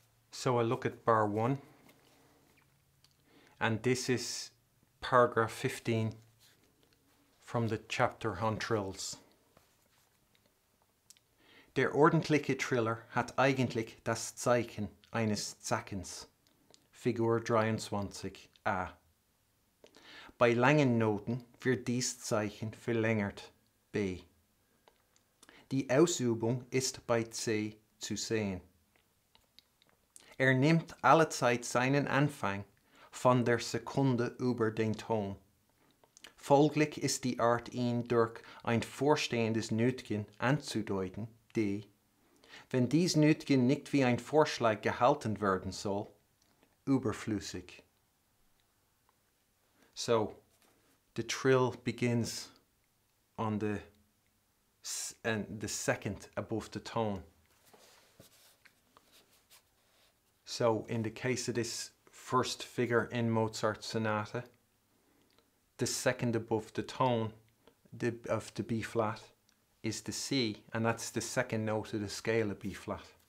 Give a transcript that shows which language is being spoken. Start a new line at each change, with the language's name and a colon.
English: So I look at bar one, and this is paragraph 15 from the chapter on trills.
German: Der ordentliche Triller hat eigentlich das Zeichen eines Zackens, Figur 23 a. Bei langen Noten wird dies Zeichen verlängert, b. Die Ausübung ist bei C zu sehen. Nimmt allezeit seinen Anfang von der Sekunde über den Ton. Folglich ist die Art, ihn durch ein vorstehendes Nötchen anzudeuten, d. Wenn dies Nötchen nicht wie ein Vorschlag gehalten werden soll, überflüssig.
English: So, the trill begins on the second above the tone. So, in the case of this first figure in Mozart's sonata, the second above the tone of the B-flat is the C, and that's the second note of the scale of B-flat.